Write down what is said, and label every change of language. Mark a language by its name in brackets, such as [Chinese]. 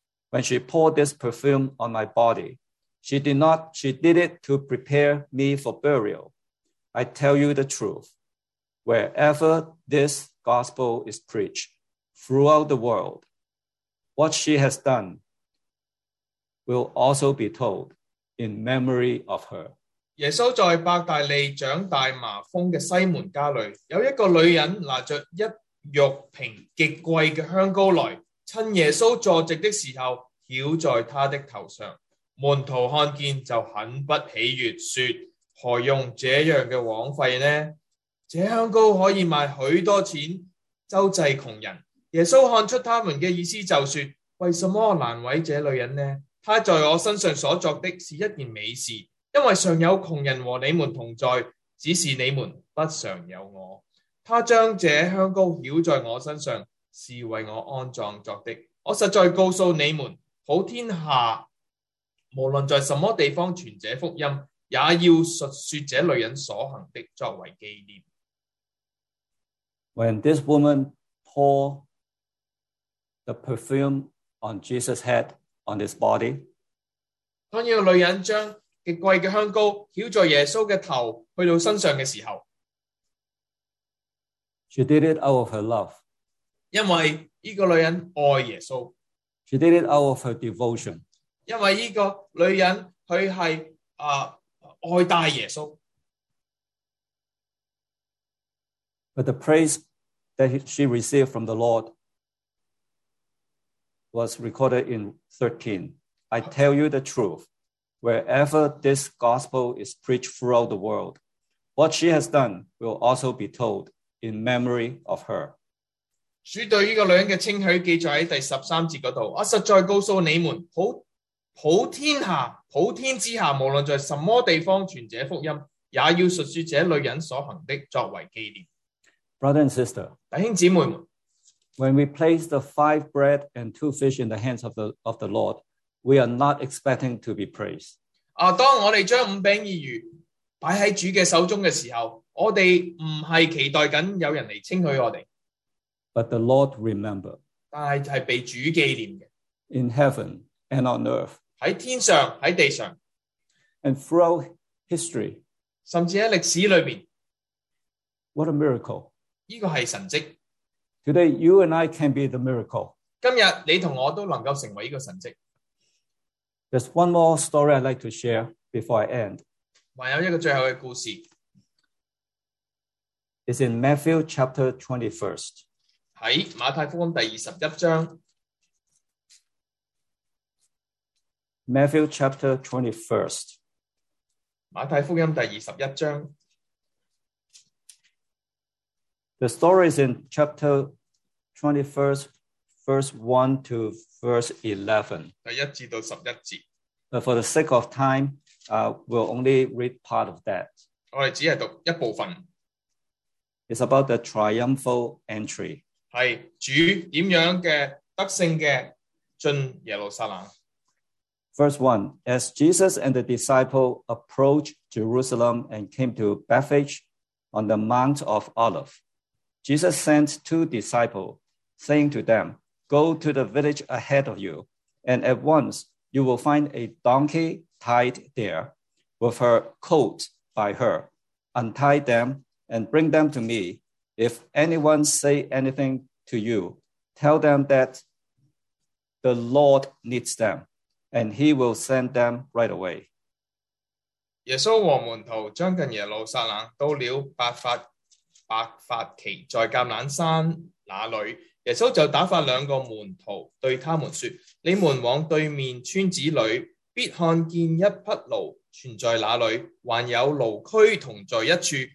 [English] When she poured this perfume on my body, she did it to prepare me for burial. I tell you the truth. Wherever this gospel is preached throughout the world, what she has done will also be told in memory of her. [Chinese] 耶稣在伯大利长大麻风的西门家里，有一个女人拿着一玉瓶极贵的香膏来，趁耶稣坐席的时候浇在他的头上。门徒看见就很不喜悦，说：何用这样的枉费呢？这香膏可以卖许多钱，周济穷人。耶稣看出他们的意思，就说：为什么难为这女人呢？她在我身上所作的是一件美事，因为常有穷人和你们同在，只是你们不常有我。她将这香膏浇在我身上，是为我安葬作的。我实在告诉你们，普天下无论在什么地方传这福音，也要述说这女人所行的作为纪念。 [English] When this woman poured the perfume on Jesus' head, on his body, [Chinese] 当这个女人将极贵的香膏浇在耶稣的头去到身上的时候， [English] She did it out of her love. [Chinese] 因为这个女人爱耶稣。 [English] She did it out of her devotion. [Chinese] 因为这个女人她是爱戴耶稣。 [English] But the praise that she received from the Lord was recorded in 13. I tell you the truth, wherever this gospel is preached throughout the world, what she has done will also be told in memory of her. [Chinese] 主对这个女人的称许记载在第十三节那里，我实在告诉你们，普天之下，无论在什么地方传这福音，也要述说这女人所行的作为纪念。 [English] Brother and sister, [Chinese] 弟兄姊妹们， [English] when we place the 5 bread and 2 fish in the hands of the Lord, we are not expecting to be praised. [Chinese] 当我们将五饼二鱼摆在主的手中的时候，我们不是期待着有人来称许我们。 [English] But the Lord remember. [Chinese] 但是是被主纪念的。 [English] In heaven and on earth. [Chinese] 在天上，在地上。 [English] And throughout history. [Chinese] 甚至在历史里面。 [English] What a miracle. [Chinese] 这个是神迹。 [English] Today, you and I can be the miracle. [Chinese] 今天你和我都能够成为这个神迹。 [English] There's one more story I'd like to share before I end. [Chinese] 还有一个最后的故事。 [English] It's in Matthew chapter 21. [Chinese] 在马太福音第21章。 [English] Matthew chapter 21. [Chinese] 马太福音第21章。 [English] The story is in chapter 21, verse 1 to verse 11. [Chinese] 第1至到11节。 [English] But for the sake of time, we'll only read part of that. [Chinese] 我们只是读一部分。 [English] It's about the triumphal entry. [Chinese] 是主怎样的得胜的进耶路撒冷。 [English] Verse 1. As Jesus and the disciple approached Jerusalem and came to Bethphage on the Mount of Olives, Jesus sent two disciples, saying to them, go to the village ahead of you, and at once you will find a donkey tied there with her colt by her. Untie them and bring them to me. If anyone say anything to you, tell them that the Lord needs them, and he will send them right away. [Chinese] 耶稣和门徒将近耶路撒冷，到了伯法其，在橄榄山那里，耶稣就打发两个门徒对他们说：你们往对面村子里，必看见一匹驴存在那里，还有驴驹同在一处。